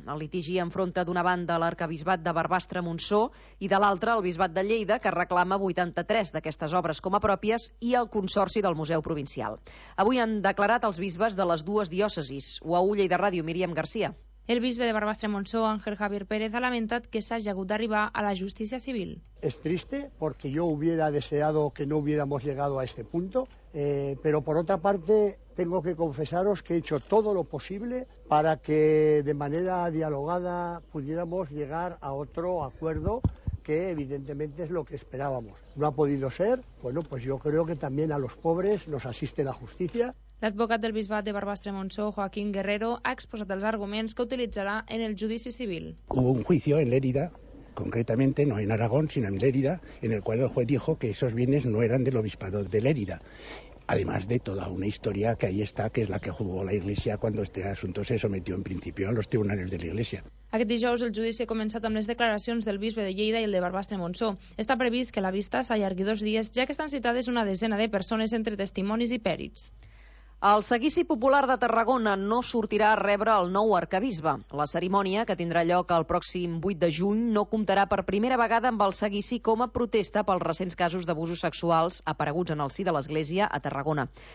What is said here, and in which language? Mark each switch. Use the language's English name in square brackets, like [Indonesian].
[Catalan] El litigi enfronta d'una banda l'arcabisbat de Barbastre-Montsó i de l'altra el bisbat de Lleida, que reclama 83 d'aquestes obres com a pròpies, i el Consorci del Museu Provincial. Avui han declarat els bisbes de les dues diòcesis. UAU Lleida Ràdio, Míriam García. El bisbe de Barbastre-Montsó, Ángel Javier Pérez, ha lamentat que s'hagi hagut d'arribar a la justícia civil. [Spanish] Es triste porque yo hubiera deseado que no hubiéramos llegado a este punto, pero por otra parte tengo que confesaros que he hecho todo lo posible para que de manera dialogada pudiéramos llegar a otro acuerdo que evidentemente es lo que esperábamos. No ha podido ser, bueno, pues yo creo que también a los pobres nos asiste la justicia. [Catalan] L'advocat del bisbat de Barbastre-Montsó, Joaquín Guerrero, ha exposat els arguments que utilitzarà en el judici civil. [Spanish] Hubo un juicio en Lérida, concretamente no en Aragón, sino en Lérida, en el cual el juez dijo que esos bienes no eran del obispado de Lérida. Además de toda una historia que ahí está, que es la que jugó la Iglesia cuando este asunto se sometió en principio a los tribunales de la Iglesia. [Catalan] Aquest dijous el judici ha començat amb les declaracions del bisbe de Lleida i el de Barbastre-Montsó. Està previst que la vista s'allargui dos dies, ja que estan citades una desena de persones entre testimonis i pèrits. El Seguici Popular de Tarragona no sortirà a rebre el nou arcabisbe. La cerimònia, que tindrà lloc el pròxim 8 de juny, no comptarà per primera vegada amb el Seguici com a protesta pels recents casos d'abusos sexuals apareguts en el si de l'Església a Tarragona.